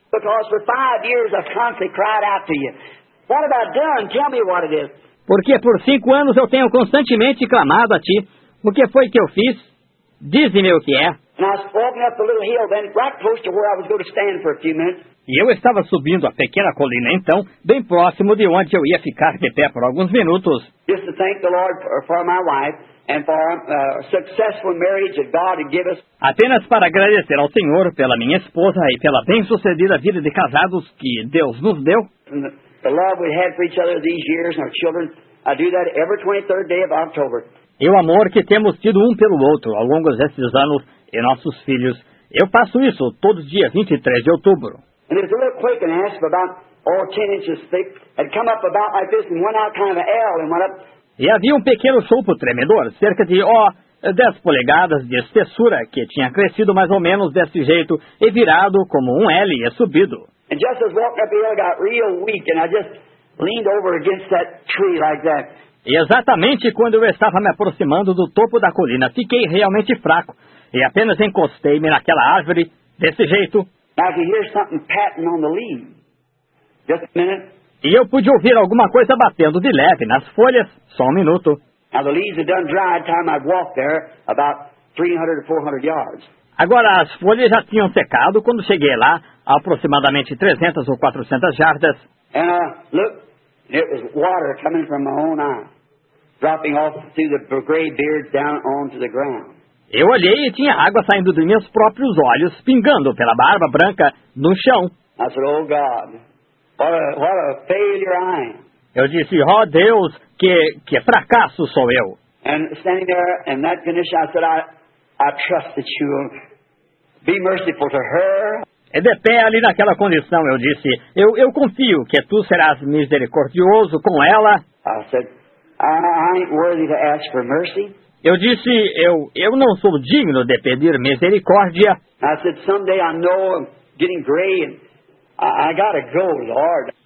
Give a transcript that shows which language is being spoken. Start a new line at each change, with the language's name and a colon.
English: Because for 5 years I've constantly cried out to you. What have I done? Tell me what it is.
Portuguese: Porque por 5 anos eu tenho constantemente clamado a ti. O que foi que eu fiz? Diz-me o que é.
English: And I was walking up the little hill then, right close to where I was going to stand for a few minutes.
Portuguese: E eu estava subindo a pequena colina então, bem próximo de onde eu ia ficar de pé por alguns minutos.
English: Just to thank the Lord for my wife and for a successful marriage that God had given us.
Portuguese: Apenas para agradecer ao Senhor pela minha esposa e pela bem-sucedida vida de casados que Deus nos deu.
English: And the love we had for each other these years and our children, I do that every 23rd day of October.
Portuguese: E o amor que temos tido um pelo outro ao longo desses anos e nossos filhos, eu faço isso todo dia 23 de outubro.
English: And there's a little quick and asp about all 10 inches thick had come up about like this and went out kind of an L and went up.
Portuguese: E havia um pequeno sopro tremedor, cerca de 10 polegadas de espessura, que tinha crescido mais ou menos desse jeito e virado como um L e subido.
English: And just as walking up the hill got real weak and I just leaned over against that tree like that.
Portuguese: E exatamente quando eu estava me aproximando do topo da colina, fiquei realmente fraco e apenas encostei-me naquela árvore desse jeito.
English: I could hear something patting on the leaves. Just a minute.
Portuguese: E eu pude ouvir alguma coisa batendo de leve nas folhas. Só um minuto.
English: Now the leaves had done dry time I'd walked there about 300 to 400 yards.
Portuguese: Agora as folhas já tinham secado quando cheguei lá, aproximadamente 300 ou 400 jardas.
English: And look, it was water coming from my own eye, dropping off through the gray beards down onto the ground.
Portuguese: Eu olhei e tinha água saindo dos meus próprios olhos, pingando pela barba branca no chão.
English: I said, oh God, what a failure I am.
Portuguese: Eu disse, oh Deus, que fracasso sou eu.
English: And standing there in that condition, I said, I trust that you will be merciful to her.
Portuguese: E de pé ali naquela condição, eu disse, eu confio que tu serás misericordioso com ela.
English: I said, I ain't worthy to ask for mercy.
Portuguese: Eu disse, eu não sou digno de pedir misericórdia.
English: I said, someday I know I'm getting gray and I gotta go, Lord.